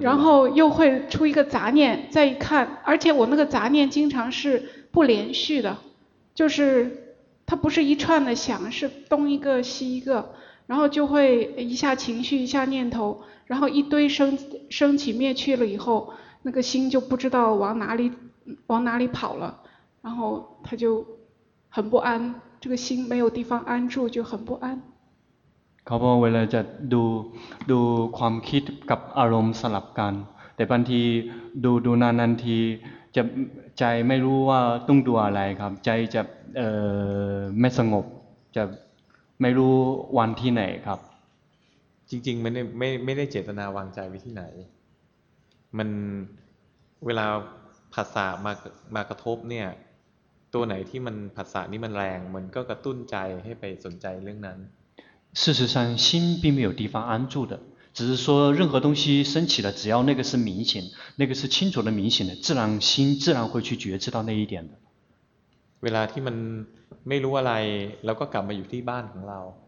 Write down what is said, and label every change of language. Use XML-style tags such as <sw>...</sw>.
<zh>然后又会出一个杂念，再一看，而且我那个杂念经常是不连续的，就是它不是一串的响，是东一个西一个，然后就会一下情绪，一下念头，然后一堆升起灭去了以后，那个心就不知道往哪里跑了。然后他就很不安这个心没有地方安住就很不安</zh> <th>เขาบอกเวลาจะดูความคิดกับอารมณ์สลับกันแต่บางทีดูนานๆทีจะใจไม่รู้ว่าต้องดูอะไรครับใจจะไม่สงบจะไม่รู้วางที่ไหนครับ จริงๆไม่ได้เจตนาวางใจไว้ที่ไหนมันเวลาผัสสะมากระทบเนี่ยตัวไหนที่มันผัสสะนี่มันแรงมันก็กระตุ้นใจให้ไปสนใจเรื่องนั้น</th> <zh>事实上心并没有地方安住的只是说任何东西升起了只要那个是明显那个是清楚的明显的自然心自然会去觉知到那一点的</zh> <th>เวลาที่มันไม่รู้อะไรแล้วก็กลับมาอยู่ที่บ้านของเรา</th>